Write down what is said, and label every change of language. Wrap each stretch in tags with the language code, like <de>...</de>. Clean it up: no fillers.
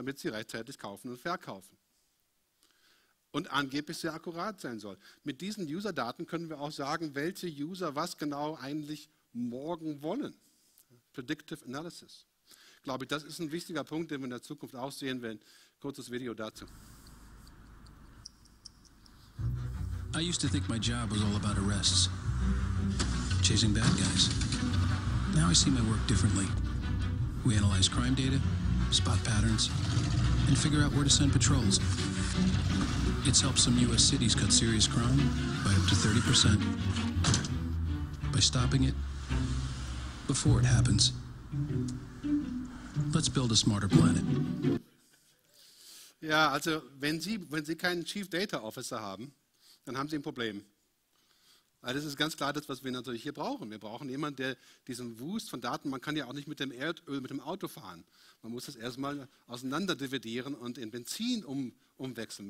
<de>damit sie rechtzeitig kaufen und verkaufen. Und angeblich sehr akkurat sein soll. Mit diesen User-Daten können wir auch sagen, welche User was genau eigentlich morgen wollen. Predictive Analysis. Glaube ich, das ist ein wichtiger Punkt, den wir in der Zukunft auch sehen werden. Kurzes Video dazu.</de> <en>I used to think my job was all about arrests. Chasing bad guys. Now I see my work differently. We analyze crime data, spot patterns, and figure out where to send patrols. It's helped some U.S. cities cut serious crime by up to 30% by stopping it before it happens. Let's build a smarter planet.</en> <de>Ja, also wenn Sie keinen Chief Data Officer haben, dann haben Sie ein Problem. Also das ist ganz klar das, was wir natürlich hier brauchen. Wir brauchen jemanden, der diesen Wust von Daten, man kann ja auch nicht mit dem Erdöl, mit dem Auto fahren. Man muss das erstmal auseinander dividieren und in Benzin umwechseln.</de>